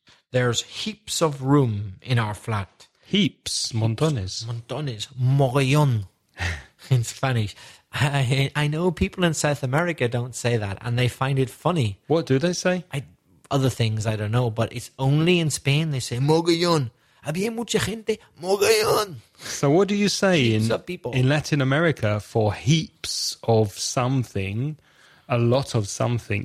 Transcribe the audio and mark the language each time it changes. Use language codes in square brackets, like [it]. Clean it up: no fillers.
[en] There's heaps of room in our flat. Heaps. Montones. Montones. Mogollón. In Spanish. I know people in South America don't say that, and they find it funny. What do they say? Other things, I don't know, but it's only in Spain they say mogollón. [es] Había mucha gente, mogollón. [en] So what do you say in Latin America for heaps of something, a lot of something?